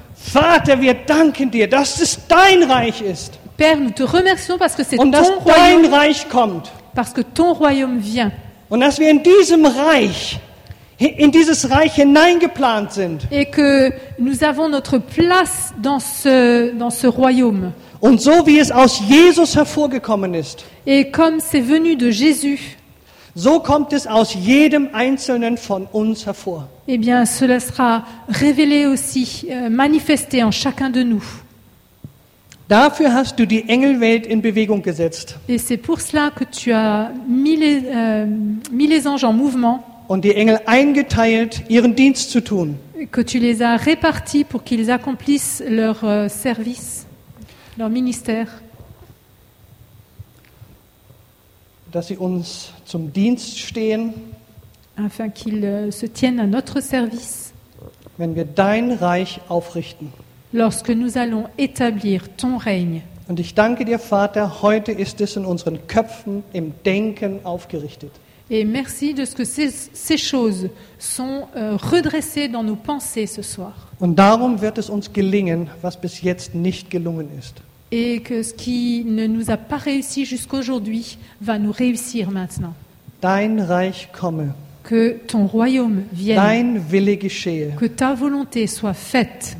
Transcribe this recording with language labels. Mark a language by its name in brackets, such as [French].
[German] Vater, wir danken dir, dass es dein Reich ist. [French] Père, nous te remercions parce que c'est ton Royaume. [German] Und dass dein Reich kommt. [French] Parce que ton Royaume vient. [German] Und dass wir in diesem Reich, in dieses Reich hineingeplant sind. [French] Et que nous avons notre place dans ce Royaume. [German] Und so wie es aus Jesus hervorgekommen ist. [French] Et comme c'est venu de Jésus. [German] So kommt es aus jedem einzelnen von uns hervor. [French] Eh bien, cela sera révélé aussi, manifesté en chacun de nous. [German] Dafür hast du die Engelwelt in Bewegung gesetzt. [French] Et c'est pour cela que tu as mis les anges en mouvement. [German] Und die Engel eingeteilt, ihren Dienst zu tun. [French] Que tu les as répartis pour qu'ils accomplissent leur service, leur ministère. [German] Dass sie uns zum Dienst stehen. [French] Afin qu'ils se tiennent à notre service. [German] Wenn wir dein Reich aufrichten. [French] Lorsque nous allons établir ton règne. [German] Und ich danke dir, Vater, heute ist es in unseren Köpfen, im Denken aufgerichtet. [French] Et merci de ce que ces choses sont redressées dans nos pensées ce soir. [German] Und darum wird es uns gelingen, was bis jetzt nicht gelungen ist. [French] Et que ce qui ne nous a pas réussi jusqu'aujourd'hui va nous réussir maintenant. [German] Dein Reich komme. [French] Que ton royaume vienne. [German] Dein Wille geschehe. [French] Que ta volonté soit faite.